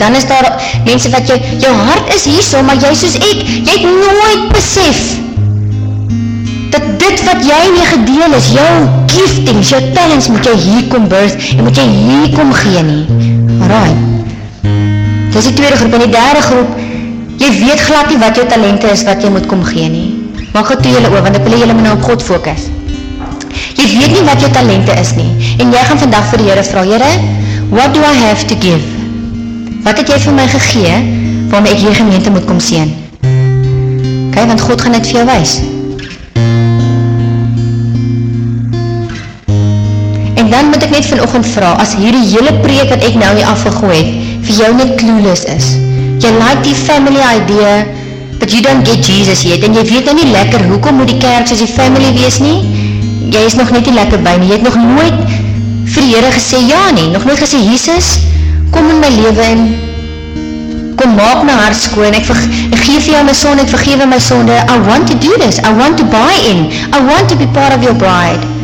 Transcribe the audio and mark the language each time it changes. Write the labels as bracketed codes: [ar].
[af] Dan is daar mense wat jou hart is hierso, maar jy soos ek, jy het nooit besef dat dit wat jy nie gedeel is, jou giftings, jou talents, moet jy hier kom birth en moet jy hier kom gee nie. Alright. Dis die tweede groep. En die derde groep, jy weet glad nie wat jou talente is wat jy moet kom gee nie. Maak het toe julle oor, want ek wil julle nou op God focus. Jy weet nie wat jou talente is nie. En jy gaan vandag vir die Here vra, Here, [en] what do I have to give? [af] Wat het jy vir my gegee, waarmee ek hierdie gemeente moet kom sien? Okay, want God gaan dit vir jou wys. En dan moet ek net vanoggend vra, as hierdie hele preek wat ek nou hier afgegooi het, vir jou net clueless is. Jy like die [en] family idea, but you don't get Jesus yet. [af] En jy weet nou nie lekker, hoekom moet die kerk soos die family wees nie? Jy is nog net nie lekker by nie, jy het nog nooit vir die Here gesê ja nie, nog nooit gesê, Jesus, kom in my lewe in, kom maak my hart skoon, ek vergeef jou my sonde, ek vergeef my sonde, [en] I want to do this, I want to buy in, I want to be part of your bride.